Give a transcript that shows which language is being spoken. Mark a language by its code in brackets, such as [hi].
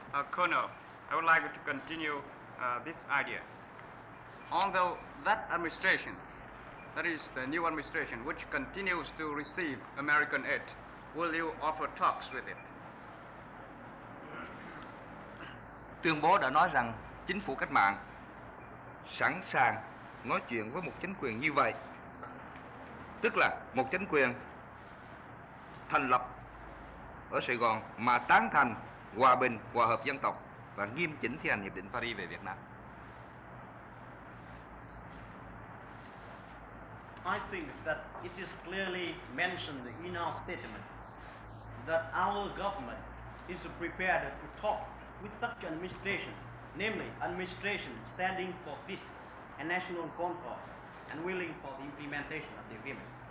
[en] Colonel, I would like to continue this idea. Although that administration, that is the new administration, which continues to receive American aid, will you offer talks with it? [vi] Tuyên bố đã nói rằng chính phủ cách mạng sẵn sàng nói chuyện với một chính quyền như vậy, tức là một chính quyền thành lập ở Sài Gòn mà tán thành hòa bình, hòa hợp dân tộc và nghiêm chỉnh thi hành Hiệp định Paris về Việt Nam. [en] I think that it is clearly mentioned in our statement that our government is prepared to talk with such an administration, namely administration standing for peace and national concord and willing for the implementation of the agreement.